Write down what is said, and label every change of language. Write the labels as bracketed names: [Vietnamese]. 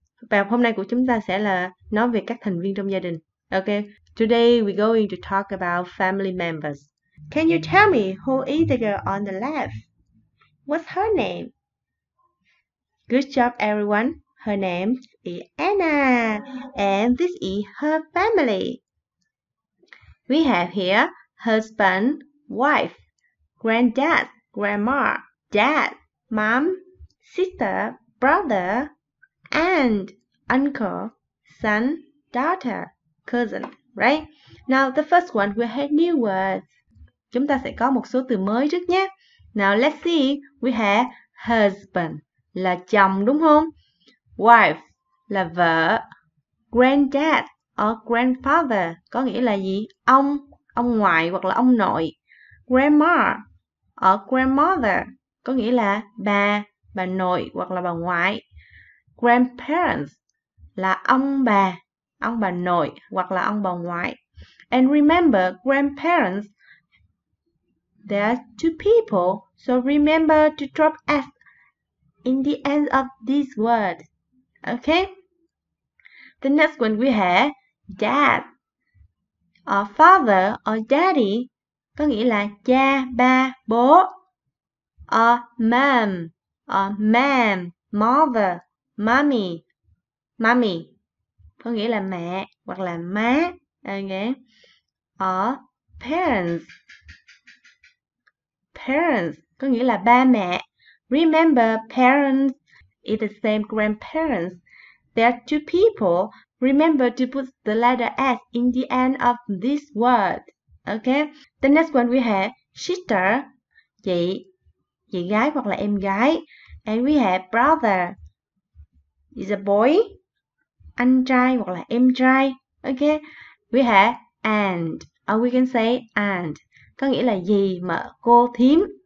[Vietnamese] Bài học hôm nay của chúng ta sẽ là nói về các thành viên trong gia đình. [English] Okay, today we're going to talk about family members. Can you tell me who is the girl on the left? What's her name? Good job, everyone. Her name is Anna, and this is her family. We have here husband, wife, granddad, grandma, dad, mom, sister, brother, and uncle, son, daughter, cousin, right? Now, the first one, we have new words. [Vietnamese] Chúng ta sẽ có một số từ mới trước nhé. [English] Now, let's see, we have husband, [Vietnamese] là chồng đúng không? Wife, là vợ. [English] Granddad, or grandfather, [Vietnamese] có nghĩa là gì? Ông ngoại hoặc là ông nội. [English] Grandma, or grandmother, [Vietnamese] có nghĩa là bà nội hoặc là bà ngoại. Grandparents là ông bà nội hoặc là ông bà ngoại. [English] And remember, grandparents, there are two people, so remember to drop S in the end of this word. Okay? The next one we have, dad. Or father or daddy, [Vietnamese] có nghĩa là cha, ba, bố. [English] Or mom, or mom, mother, mommy, mommy, [Vietnamese] có nghĩa là mẹ hoặc là má, [English] okay. Or parents, parents, [Vietnamese] có nghĩa là ba mẹ. [English] Remember, parents is the same grandparents. There are two people. Remember to put the letter S in the end of this word, okay. The next one we have, sister, [Vietnamese] chị gái hoặc là em gái. [English] And we have brother, is a boy, [Vietnamese] anh trai hoặc là em trai. [English] Okay, we have and, or we can say and, [Vietnamese] có nghĩa là dì, mợ, cô, thím.